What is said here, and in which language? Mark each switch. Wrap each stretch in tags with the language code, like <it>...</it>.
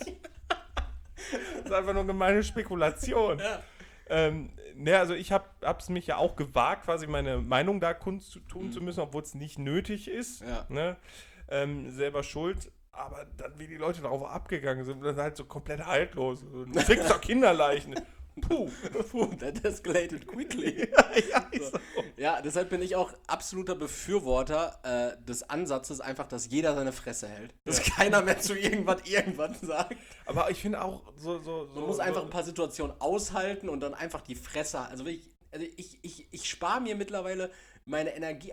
<de>Das ist einfach nur gemeine Spekulation. Ja. Ne, also ich habe es mich ja auch gewagt, quasi meine Meinung da kundtun zu müssen, obwohl es nicht nötig ist. Ja. Ne? Selber schuld. Aber dann, wie die Leute darauf abgegangen sind, das ist halt so komplett haltlos. Du fickst doch Kinderleichen.</de> <en>Puh, that escalated quickly.</en> <de>Ja, deshalb bin ich auch absoluter Befürworter des Ansatzes, einfach, dass jeder seine Fresse hält. Dass keiner mehr zu irgendwann sagt. Aber ich finde auch so. Man muss einfach ein paar Situationen aushalten und dann einfach die Fresse. Also ich spare mir mittlerweile meine Energie.</de>